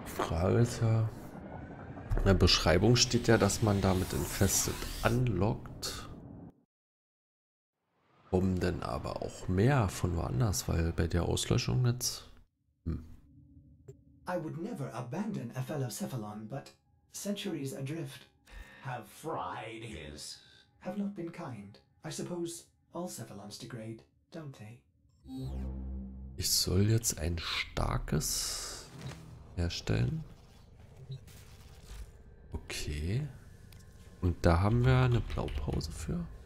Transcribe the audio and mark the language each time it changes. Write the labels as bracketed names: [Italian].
[German] Alter. In der Beschreibung steht ja, dass man damit Infested anlockt. Warum denn aber auch mehr von woanders, weil bei der Auslöschung jetzt. [English] I would never abandon a fellow Cephalon, but centuries adrift have fried his. Have not been kind. I suppose all Cephalons degrade, don't they? [German] Ich soll jetzt ein starkes herstellen. Okay. Und da haben wir eine Blaupause für.